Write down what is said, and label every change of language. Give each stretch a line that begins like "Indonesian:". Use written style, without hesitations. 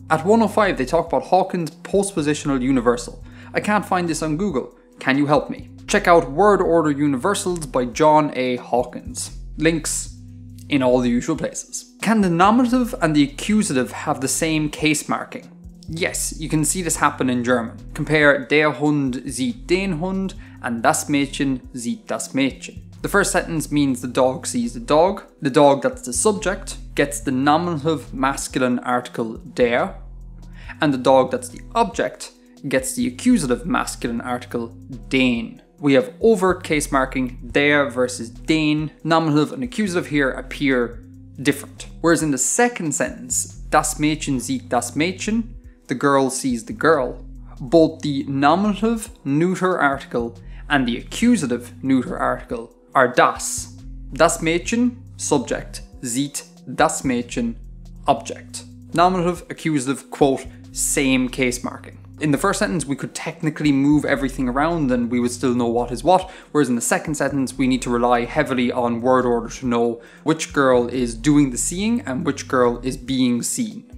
English: At 105, they talk about Hawkins' postpositional universal. I can't find this on Google. Can you help me? Check out Word Order Universals by John A. Hawkins. Links in all the usual places. Can the nominative and the accusative have the same case marking? Yes, you can see this happen in German. Compare
German: der Hund sieht den Hund
English: and
German: das Mädchen sieht das Mädchen.
English: The first sentence means the dog sees the dog. The dog that's the subject gets the nominative masculine article der, and the dog that's the object gets the accusative masculine article den. We have overt case marking der versus den. Nominative and accusative here appear different. Whereas in the second sentence,
German: das Mädchen sieht das Mädchen,
English: the girl sees the girl, both the nominative neuter article and the accusative neuter article are das.
German: Das Mädchen,
English: subject,
German: sieht das Mädchen,
English: object. Nominative, accusative, quote, same case marking. In the first sentence, we could technically move everything around and we would still know what is what, whereas in the second sentence, we need to rely heavily on word order to know which girl is doing the seeing and which girl is being seen.